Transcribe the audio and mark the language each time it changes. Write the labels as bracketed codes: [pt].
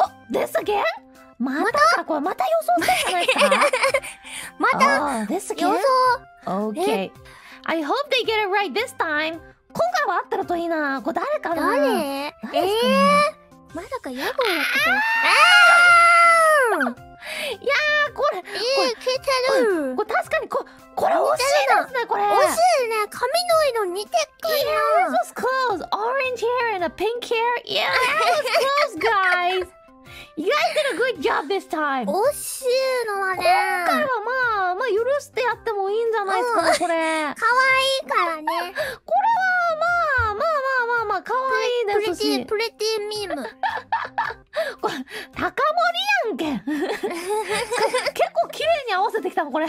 [ja] お、ですげー、またか、これまた予想してんじゃないですか。またですげー予想。 [en] OK、I hope they get it right this time. [ja] 今回は合ってるといいな。これ誰かな。誰？誰ですかね。まさかヤゴだった。いやー、これ、消えてる。これ確かに、これ惜しいですね、これ。惜しいね。髪の色似てっか [en] な。Yeah, it's close. Orange hair and a pink hair. Yeah, it's close, guys. You guys did a good job this time. [ja] 惜しいのはね。今回はまあ、許してやってもいいんじゃないですかね、うん、これ。可愛いからね。これはまあまあまあまあまあ可愛いですし。プレティミーム。これ高盛りやんけ。結構綺麗に合わせてきたのこれ。